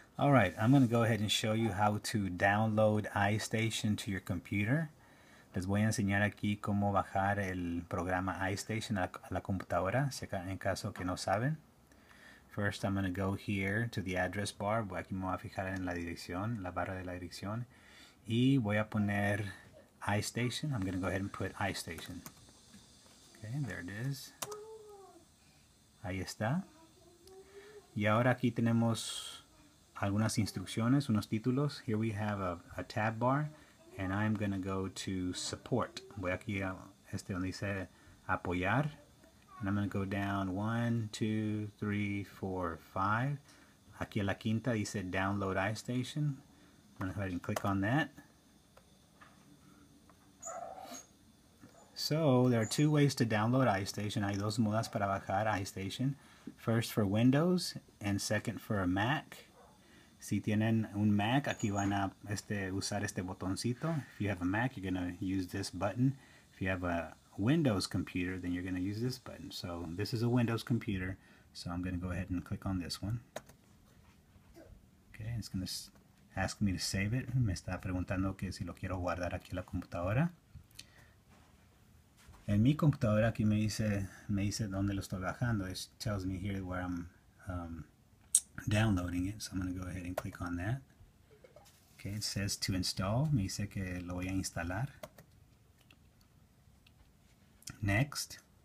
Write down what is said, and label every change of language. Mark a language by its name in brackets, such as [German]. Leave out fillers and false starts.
[English] All right, I'm going to go ahead and show you how to download iStation to your computer. [Spanish] Les voy a enseñar aquí cómo bajar el programa iStation a la computadora, en caso que no saben. [English] First, I'm going to go here to the address bar. [Spanish] Aquí me voy a fijar en la dirección, la barra de la dirección. Y voy a poner iStation. [English] I'm going to go ahead and put iStation. Okay, there it is. [Spanish] Ahí está. Y ahora aquí tenemos algunas instrucciones, unos títulos. [English] Here we have a tab bar, and I'm going to go to support. [Spanish] Voy aquí a este donde dice apoyar, [English] and I'm going to go down 1, 2, 3, 4, 5. [Spanish] Aquí a la quinta dice download iStation. [English] I'm going to go ahead and click on that. So there are two ways to download iStation. [Spanish] Hay dos modas para bajar iStation. [English] First for Windows, and second for a Mac. [Spanish] Si tienen un Mac, aquí van a usar este botoncito. [English] If you have a Mac, you're going to use this button. If you have a Windows computer, then you're going to use this button. So this is a Windows computer, so I'm going to go ahead and click on this one. Okay, it's going to ask me to save it. [Spanish] Me está preguntando que si lo quiero guardar aquí en la computadora. En mi computadora aquí me dice dónde lo estoy bajando. [English] It tells me here where I'm downloading it, so I'm going to go ahead and click on that. Okay, it says to install. [Spanish] Me dice que lo voy a instalar. [English] Next.